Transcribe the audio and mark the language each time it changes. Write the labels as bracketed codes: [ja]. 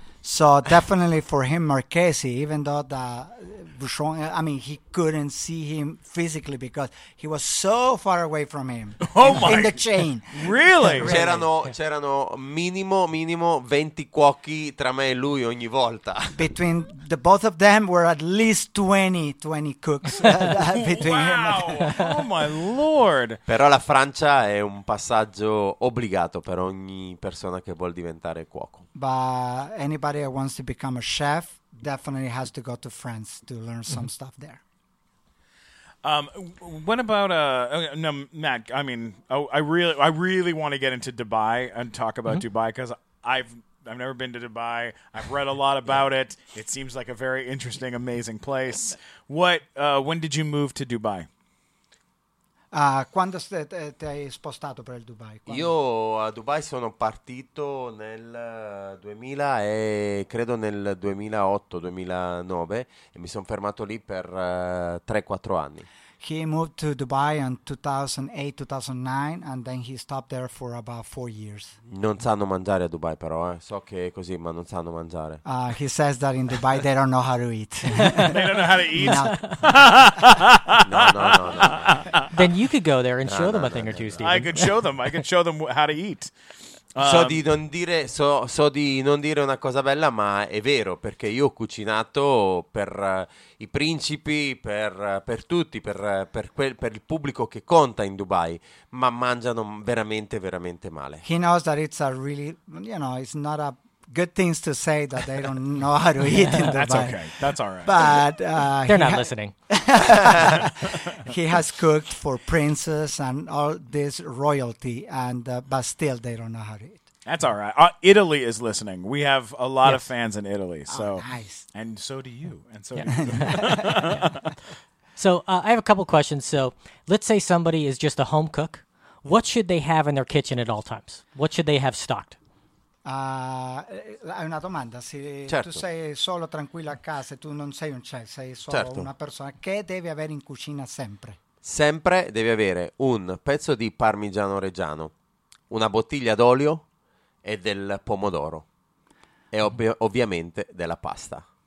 [en] So definitely for him Marchesi, even though the Bouchon, I mean, he couldn't see him physically because he was so far away from him. Oh my! In the chain. Really? [it] C'erano minimo 20 cuochi tra me e lui ogni volta. [en] Between the both of them were at least 20 cooks. between wow! Him. Oh my lord! [it] Però la Francia è un passaggio obbligato per ogni persona che vuol diventare cuoco. [en] Anybody that wants to become a chef definitely has to go to France to learn some stuff there. What about no, Matt? I mean, I really want to get into Dubai and talk about Dubai because I've never been to Dubai. I've read a lot about it. It seems like a very interesting, amazing place. When did you move to Dubai? [it] Quando ti hai spostato per il Dubai? Quando? Io a Dubai sono partito nel 2000 e credo nel 2008-2009 e mi sono fermato lì per 3-4 anni. [en] He moved to Dubai in 2008-2009 and then he stopped there for about 4 years. [it] Non sanno mangiare a Dubai però, so che è così, ma non sanno mangiare. [en] He says that in Dubai they don't know how to eat. They don't know how to eat? No. Then you could go there and show them a thing or two, Steven. I could show them how to eat. [it] So di non dire una cosa bella, ma è vero, perché io ho cucinato per i principi, per tutti, per il pubblico che conta in Dubai, ma mangiano veramente, veramente male. [en] He knows that it's a really, you know, it's not a good things to say that they don't know how to eat in Dubai. That's okay. That's all right. But they're not listening. He has cooked for princes and all this royalty, and but still they don't know how to eat. That's all right. Italy is listening. We have a lot of fans in Italy. So nice. And so do you. And so do you. So I have a couple questions. So let's say somebody is just a home cook. What should they have in their kitchen at all times? What should they have stocked? [it] È una domanda. Se tu sei solo tranquillo a casa, tu non sei un chef, sei solo una persona, che devi avere in cucina sempre? Sempre devi avere un pezzo di parmigiano reggiano, una bottiglia d'olio e del pomodoro e ovviamente della pasta.